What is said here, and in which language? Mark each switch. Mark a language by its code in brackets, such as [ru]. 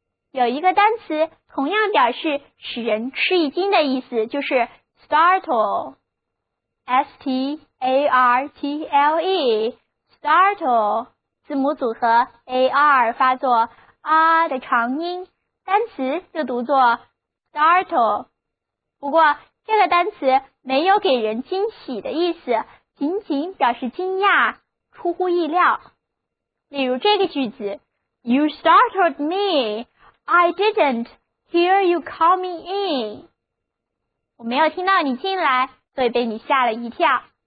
[zh] 有一个单词同样表示使人吃一惊的意思，就是 startle， S-T-A-R-T-L-E， startle， 字母组合 A-R 发作 R 的长音，单词就读作 startle。不过这个单词没有给人惊喜的意思，仅仅表示惊讶、出乎意料。 [en] 例如这个句子 You startled me, I didn'tHear you coming in. [zh] 我没有听到你进来，所以被你吓了一跳。